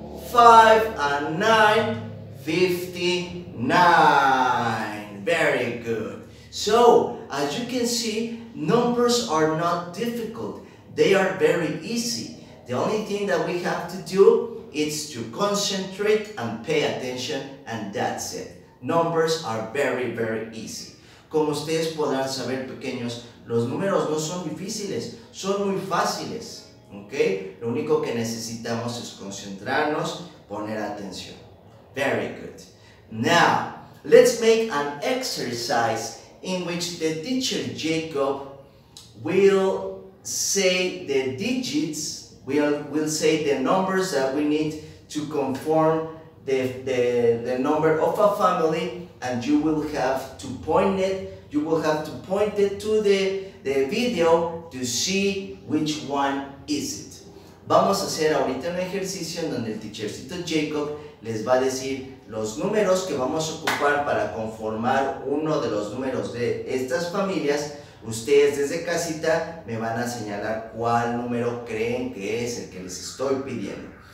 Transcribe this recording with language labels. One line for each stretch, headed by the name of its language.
English: 5 and 9, 59. Very good. So, as you can see, numbers are not difficult. They are very easy. The only thing that we have to do is to concentrate and pay attention, and that's it. Numbers are very, very easy.
Spanish: Como ustedes podrán saber, pequeños, los números no son difíciles, son muy fáciles. Okay? Lo único que necesitamos es concentrarnos, poner atención.
English: Very good. Now, let's make an exercise in which the teacher Jacob will say the digits, will say the numbers that we need to conform the number of a family, and you will have to point it, you will have to point it to the video to see which one is it.
Spanish: Vamos a hacer ahorita un ejercicio en donde el teachercito Jacob les va a decir los números que vamos a ocupar para conformar uno de los números de estas familias. Ustedes desde casita me van a señalar cuál número creen que es el que les estoy pidiendo.